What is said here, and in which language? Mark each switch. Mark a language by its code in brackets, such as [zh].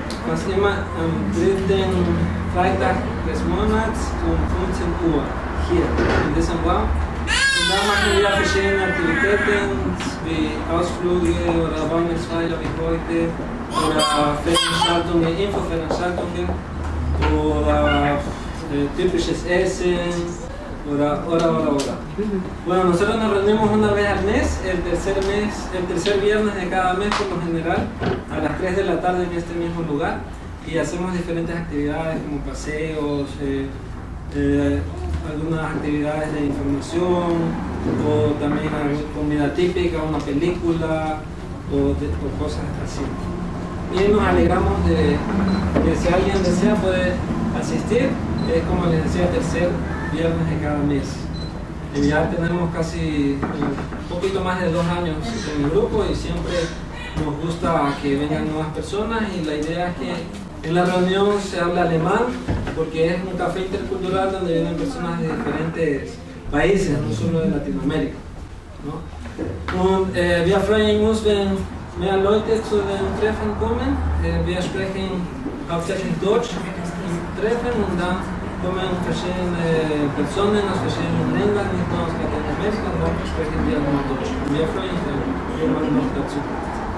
[de] Was immer am dritten Freitag des Monats um 15 Uhr hier in diesem Raum. Und da machen wir verschiedene Aktivitäten wie Ausflüge oder Weihnachtsfeier wie heute oder Veranstaltungen, Infoveranstaltungen oder typisches Essen oder. [es] Bueno, nosotros nos reunimos una vez al mes, el tercer viernes de cada mes por lo general, a las 3 de la tarde en este mismo lugar, y hacemos diferentes actividades como paseos, algunas actividades de información, o también comida típica, una película, o cosas así. Y nos alegramos de que si alguien desea puede asistir, es como les decía, tercer viernes de cada mes. Y ya tenemos casi un poquito más de 2 años en el grupo y siempre nos gusta que vengan nuevas personas, y la idea es que en la reunión se habla alemán porque es un café intercultural donde vienen personas de diferentes países, no solo de Latinoamérica, ¿no? [de] Und wir freuen uns, wenn mehr Leute zu dem Treffen kommen. Wir sprechen hauptsächlich Deutsch im Treffen und dann kommen verschiedene Personen aus verschiedenen Ländern, nicht nur aus Lateinamerika, dort sprechen wir nur Deutsch. Und wir freuen uns, wenn jemand noch dazu kommt.